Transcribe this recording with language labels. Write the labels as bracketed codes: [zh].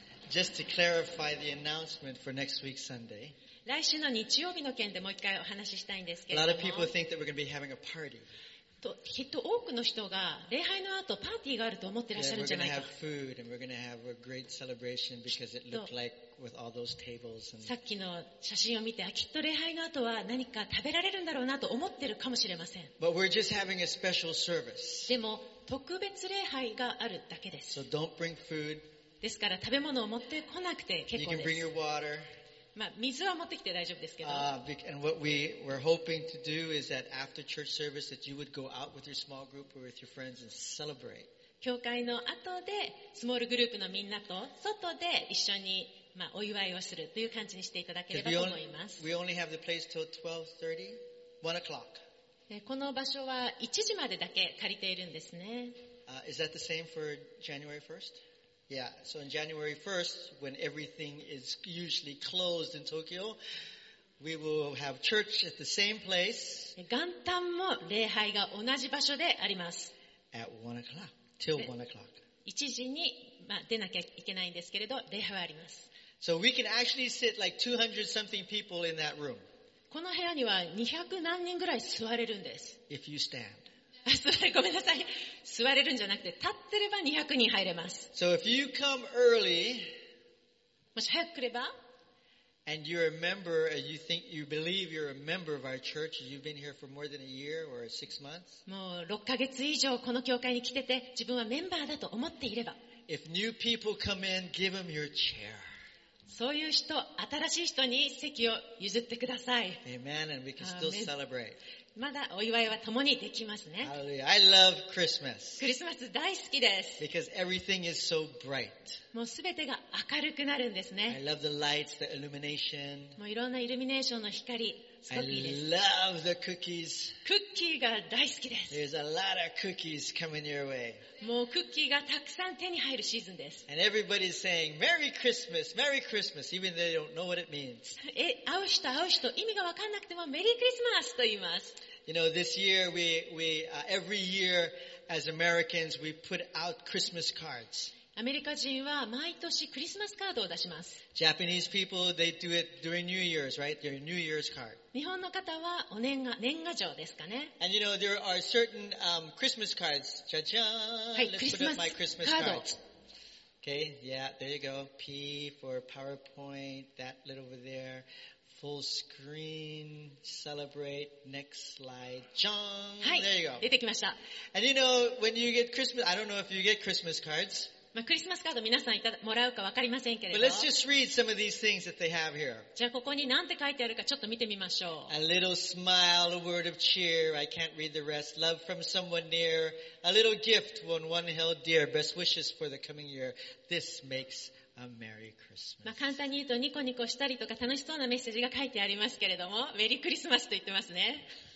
[en] Just to clarify the announcement for next week's Sunday. [ja] 来週の日曜日の件でもう一回お話ししたいんですけれども。 [en] A lot of people think that we're going to be having a party. [ja] きっと多くの人が礼拝の後パーティーがあると思ってらっしゃるんじゃないか。 [en] Yeah, we're gonna have food and we're gonna have a great celebration because it looked like with all those tables and... [ja] さっきの写真を見てきっと礼拝の後は何か食べられるんだろうなと思ってるかもしれません。 [en] But we're just having a special service. [ja] でも特別礼拝があるだけです。 [en] So don't bring food. [ja] ですから食べ物を持ってこなくて結構です。 [en] You can bring your water. [ja] まあ、水は持ってきて大丈夫ですけど。 [en] And what we were hoping to do is that after church service that you would go out with your small group or with your friends and celebrate. [ja] 教会の後でスモールグループのみんなと外で一緒に、まあ、お祝いをするという感じにしていただければと思います。 [en] We only have the place till 12:30, 1 o'clock. [ja] この場所は1時までだけ借りているんですね。 [en] Is that the same for January 1st? Yeah, so on January 1st, when everything is usually closed in Tokyo, we will have church at the same place. [ja] 元旦も礼拝が同じ場所であります。 [en] At 1 o'clock, till 1 o'clock. [ja] 1時に、まあ、出なきゃいけないんですけれど、礼拝はあります。 [en] So we can actually sit like 200 something people in that room. [ja] この部屋には200何人ぐらい座れるんです。 [en] If you stand. [ja] ごめんなさい。座れるんじゃなくて、立ってれば200人入れます。 [en] So、if you come early, [ja] もし早く来れば、 [en] and you're a member, and you think you believe you're a member of our church, you've been here for more than a year or six months, [ja] もう6ヶ月以上この教会に来てて、自分はメンバーだと思っていれば、 [en] if new people come in, give them your chair. [ja] そういう人、新しい人に席を譲ってください。 [en] Amen, and we can still celebrate. [ja] まだお祝いは共にできますね。 [en] I love Christmas. [ja] クリスマス大好きです。 [en] Because everything is so bright. [ja] もうすべてが明るくなるんですね。 [en] I love the lights, the illumination. [ja] もういろんなイルミネーションの光、すごくいいです。 [en] I love the cookies. [ja] クッキーが大好きです。 [en] There's a lot of cookies coming your way. [ja] もうクッキーがたくさん手に入るシーズンです。 [en] And everybody's saying Merry Christmas, Merry Christmas, even though they don't know what it means. [ja] 会う人会う人、意味が分かんなくてもメリークリスマスと言います。 [en] You know, this year every year as Americans we put out Christmas cards. [ja] アメリカ人は毎年クリスマスカードを出します。 [en] Japanese people they do it during New Year's, right? Their New Year's card. [ja] 日本の方はお年賀状ですかね。 [en] And you know there are certain Christmas cards. [ja] はい、 [en] Let's put up my Christmas [ja] カード。 [en] Cards. Okay, yeah, there you go. P for PowerPoint. That little over there. Full screen, celebrate, next slide, chong. [ja] はい、 [en] There you go. [ja] 出てきました。 [en] And you know, when you get Christmas, I don't know if you get Christmas cards. [ja] まあ、クリスマスカード皆さんもらうか分かりませんけれど。 [en] But let's just read some of these things that they have here. [ja] じゃあ、ここに何て書いてあるかちょっと見てみましょう。 [en] A little smile, a word of cheer, I can't read the rest. Love from someone near, a little gift when one held dear. Best wishes for the coming year. This makes... A Merry Christmas. [ja] まあ簡単に言うとニコニコしたりとか楽しそうなメッセージが書いてありますけれども、メリークリスマスと言ってますね。